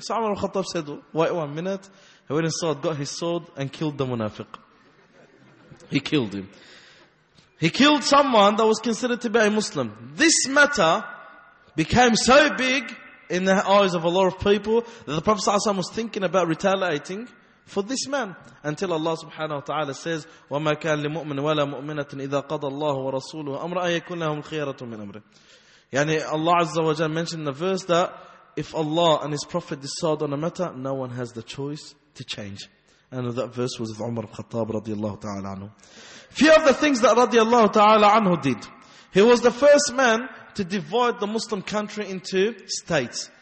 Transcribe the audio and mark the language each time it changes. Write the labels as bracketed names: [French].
[English] So Umar ibn Khattab said, wait 1 minute. He went inside, got his sword and killed the munafiq. He killed him. He killed someone that was considered to be a Muslim. This matter became so big in the eyes of a lot of people that the Prophet ﷺ was thinking about retaliating for this man. Until Allah subhanahu wa ta'ala says, [Arabic] وَمَا كَانَ لِمُؤْمِنِ وَلَا مُؤْمِنَةٍ إِذَا قَضَى اللَّهُ وَرَسُولُهُ أَمْرَ أَن يَكُنْ لَهُمْ خِيَرَةٌ مِنْ أَمْرِهِ. [English] Yani Allah Azza wa Jalla mentioned in the verse that if Allah and His Prophet decide on a matter, no one has the choice to change. And that verse was with Umar ibn Khattab radiallahu ta'ala anhu. Few of the things that radiallahu ta'ala anhu did. He was the first man to divide the Muslim country into states.